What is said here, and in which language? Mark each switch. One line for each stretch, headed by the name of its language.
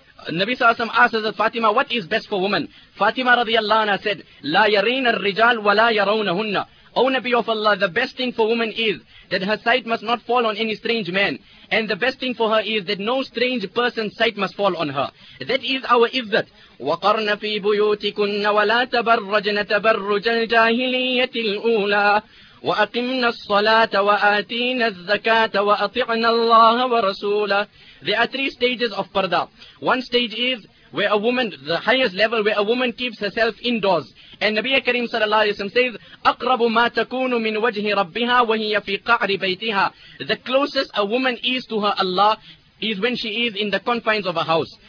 English: Nabi Sallallahu Alaihi Wasallam asked Fatima, what is best for women? Fatima radiallahu anha said,
Arabic: لَا يَرِينَ الرِّجَالُ وَلَا يَرَوْنَهُنَّ
English: O Nabi of Allah, the best thing for woman is that her sight must not fall on any strange man. And the best thing for her is that no strange person's sight must fall on her. That is our izzat.
Arabic: وَقَرْنَ فِي بُيُوتِكُنَّ وَلَا تَبَرَّجْنَ تَبَرُّجَ الْجَاهِلِيَّةِ الْأُولَىٰ وَأَقِمْنَا الصَّلَاةَ وَآتِينَ الزَّكَاةَ وَأَطِعْنَا اللَّهَ وَرَسُولَهُ
English: There are 3 stages of parda. One stage is where a woman, the highest level, where a woman keeps herself indoors. And Nabi Kareem sallallahu alayhi wa sallam says,
Arabic: أَقْرَبُ مَا تَكُونُ مِنْ وَجْهِ رَبِّهَا وَهِيَ فِي قَعْرِ بَيْتِهَا
English: The closest a woman is to her Allah is when she is in the confines of a house.